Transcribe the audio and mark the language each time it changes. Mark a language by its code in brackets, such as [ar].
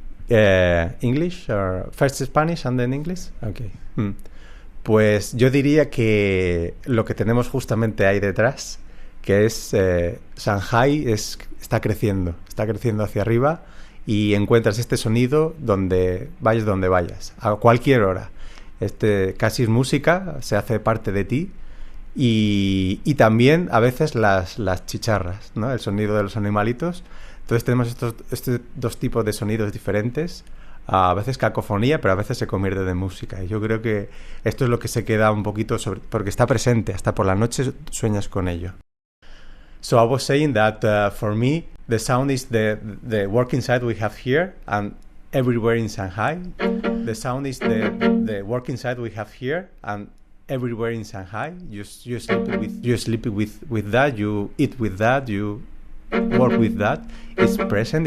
[en] English or first Spanish and then English? Okay. Mm. [es] Pues yo diría que lo que tenemos justamente ahí detrás, que es Shanghai, está creciendo hacia arriba y encuentras este sonido donde vayas, a cualquier hora. Este casi es música, se hace parte de ti y también a veces las chicharras, ¿no? El sonido de los animalitos. Entonces tenemos estos dos tipos de sonidos diferentes, a veces cacofonía, pero a veces se convierte en música. Y yo creo que esto es lo que se queda un poquito sobre, porque está presente, hasta por la noche sueñas con ello. [en] So I was saying that for me, the sound is the working side we have here and everywhere in Shanghai. The sound is the working side we have here and everywhere in Shanghai. You sleep with that, you eat with that, you work with that. It's present.